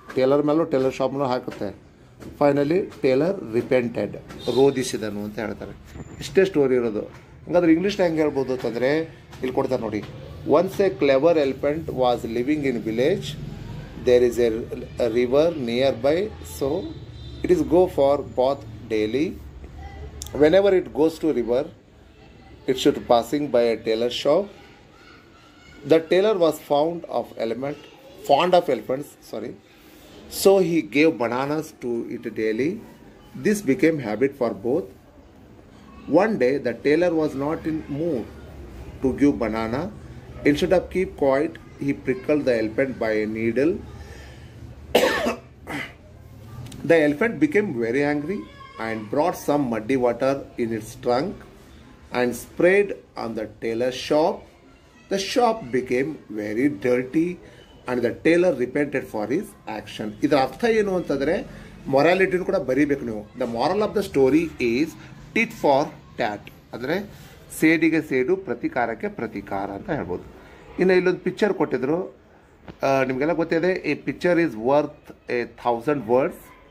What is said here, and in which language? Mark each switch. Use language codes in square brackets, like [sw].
[kn] Taylor ಮೇಲೂ Taylor ಶಾಪ್ನು ಹಾಕುತ್ತೆ. Finally Taylor repented, ರೋಧಿಸಿದನು ಅಂತ ಹೇಳ್ತಾರೆ. ಇಷ್ಟೇ ಸ್ಟೋರಿ ಇರೋದು. ಹಂಗಾದ್ರೆ ಇಂಗ್ಲೀಷ್ನ ಹೆಂಗೆ ಹೇಳ್ಬೋದು ಅಂತಂದರೆ, ಇಲ್ಲಿ ಕೊಡ್ತಾರೆ ನೋಡಿ. [en] Once a clever elephant was living in village. There is a river near by, so it is go for bath daily. whenever it goes to river, it should passing by a tailor shop. The tailor was fond of elephants, so he gave bananas to it daily. This became habit for both. One day the tailor was not in mood to give banana. Instead of keep quiet, he prickled the elephant by a needle. The elephant became very angry and brought some muddy water in its trunk and sprayed on the tailor's shop. The shop became very dirty and the tailor repented for his action. [kn] ಇದರ ಅರ್ಥ ಏನು ಅಂತಂದರೆ ಮೊರಾಲಿಟಿನೂ ಕೂಡ ಬರೀಬೇಕು ನೀವು. [en] the moral of the story is tit for tat, [kn] ಅಂದರೆ ಸೇಡಿಗೆ ಸೇಡು, ಪ್ರತಿಕಾರಕ್ಕೆ ಪ್ರತಿಕಾರ ಅಂತ ಹೇಳ್ಬೋದು. ಇನ್ನು ಇಲ್ಲೊಂದು ಪಿಕ್ಚರ್ ಕೊಟ್ಟಿದ್ರು, ನಿಮಗೆಲ್ಲ ಗೊತ್ತಿದೆ ಈ [en] Picture is worth a 1000 words.